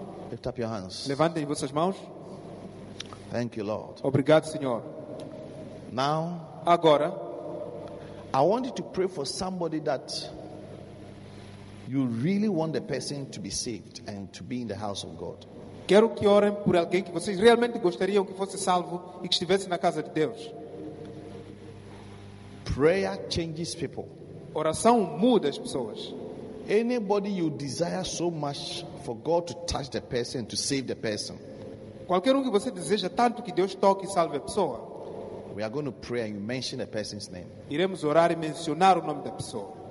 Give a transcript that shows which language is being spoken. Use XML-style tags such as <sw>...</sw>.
<en>Lift up your hands.</en> <pt>Levantem vossas mãos.</pt> <en>Thank you, Lord.</en> <pt>Obrigado, Senhor.</pt> <en>Now,</en> <pt>agora,</pt> <en>I want you to pray for somebody that you really want the person to be saved and to be in the house of God.</en> <pt>Quero que orem por alguém que vocês realmente gostariam que fosse salvo e que estivesse na casa de Deus.</pt> <en>Prayer changes people.</en> <pt>Oração muda as pessoas.</pt> <en>Anybody you desire so much for God to touch the person, to save the person.</en> <pt>Qualquer que você deseja tanto que Deus toque e salve a pessoa.</pt> <en>We are going to pray and you mention the person's name.</en> <pt>Iremos orar e mencionar o nome da pessoa.</pt>